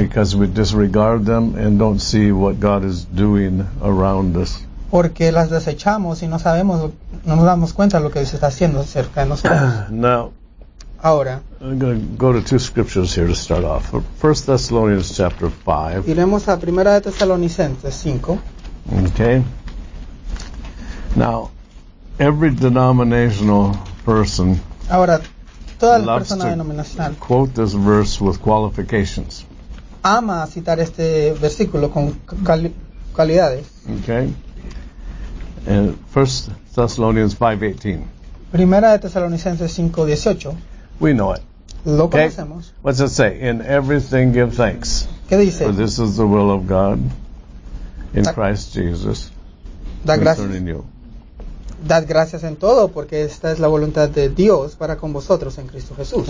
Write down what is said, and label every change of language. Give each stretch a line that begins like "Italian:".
English: Because we disregard them and don't see what God is doing around us.
Spanish: Porque las desechamos y no sabemos, no nos damos cuenta de lo que Dios está haciendo cerca de nosotros.
English: Now,
Spanish: ahora,
English: I'm going to go to two scriptures here to start off. 1 Thessalonians chapter 5.
Spanish: Iremos a 1 de Tesalonicenses 5.
English: Okay. Now, every denominational person
Spanish: ahora, toda la persona denominacional
English: quote this verse with qualifications.
Spanish: Ama citar este versículo con cualidades.
English: Okay. And 1 Thessalonians 5:18.
Spanish: Primera de Tesalonicenses 5:18.
English: We know it.
Spanish: Lo conocemos.
English: Okay. What's it say? In everything give thanks.
Spanish: ¿Qué dice?
English: For this is the will of God in Christ Jesus
Spanish: da
English: concerning you.
Spanish: dad gracias en todo porque esta es la voluntad de Dios para con vosotros en Cristo Jesús.